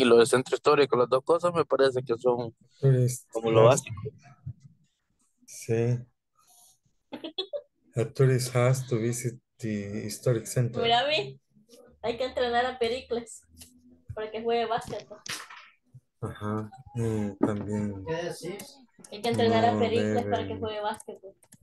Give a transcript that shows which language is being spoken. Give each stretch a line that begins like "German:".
Spanish: Y lo del centro histórico, las dos cosas me parece que son como lo básico. Sí.
English: A tourist has to visit the historic center.
Spanish: Mira, vi. Hay que entrenar a Pericles para que juegue básquetbol. Ajá. Y también. ¿Qué decís? Hay que entrenar a Pericles para que juegue básquetbol.